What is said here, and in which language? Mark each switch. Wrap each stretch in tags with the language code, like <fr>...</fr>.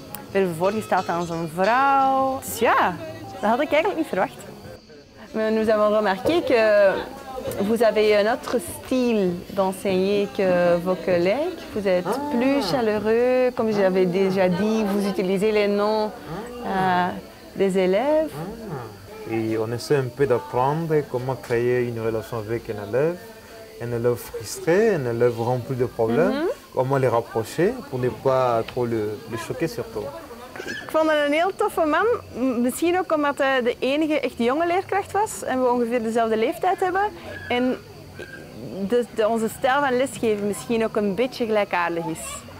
<nl>We hebben voorgesteld aan zijn vrouw. Dus ja, dat had ik eigenlijk niet verwacht.</nl> <fr>Maar nous avons remarqué que vous avez un autre style d'enseigner que vos collègues. Vous êtes plus chaleureux. Comme j'avais déjà dit, vous utilisez les noms des élèves. et on essaie un peu d'apprendre comment créer une relation avec un élève. Un élève frustré, un élève rempli de problèmes, mm-hmm. comment les rapprocher pour ne pas trop le choquer surtout.</fr> <nl>Ik vond hem een heel toffe man, misschien ook omdat hij de enige echt jonge leerkracht was en we ongeveer dezelfde leeftijd hebben. En onze stijl van lesgeven misschien ook een beetje gelijkaardig is.</nl>